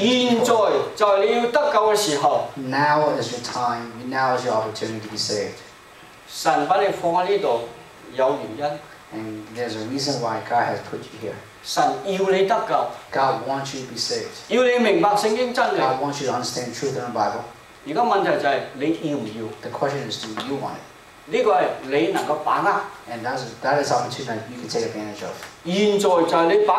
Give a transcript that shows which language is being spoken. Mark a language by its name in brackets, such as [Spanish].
[Cantonese] 現在就係你要得救嘅時候。Now [English] is your time. Now is your opportunity to be saved. [Cantonese] 神把你放喺呢度有原因。And [English] there's a reason why God has put you here. [Cantonese] 神要你得救。 [English] God wants you to be saved. [Cantonese] 要你明白聖經真理。 [English] God wants you to understand truth in the Bible. [Cantonese] 而家問題就係你要唔要。 [English] The question is, do you want it? [Cantonese] 呢個係你能夠把握。 [English] And that is opportunity you can take advantage of.